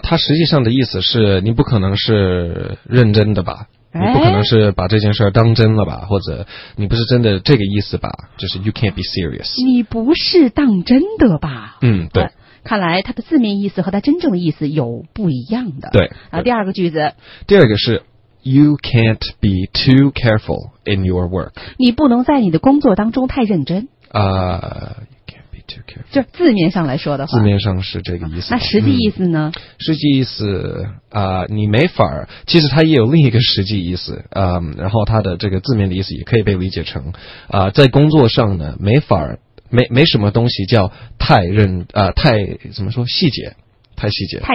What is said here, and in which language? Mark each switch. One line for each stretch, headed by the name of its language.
Chinese: 它实际上的意思是你不可能是认真的吧。你不可能是把这件事儿当真了吧，或者你不是真的这个意思吧，就是
English: you can't be serious，
Chinese: 你不是当真的吧。嗯，对，看来它的字面意思和它真正的意思有不一样的。对啊，第二个句子，第二个是
English: you can't be too careful in your work，
Chinese: 你不能在你的工作当中太认真
English: 啊、you can't be too careful，
Chinese: 就字面上来说的话，字面上是这个意思、那实际意思呢、实际意思你没法儿，其实它也有另一个实际意思，然后它的这个字面的意思也可以被理解成，在工作上呢，没法儿，没什么东西叫太认，太怎么说细节，太细节，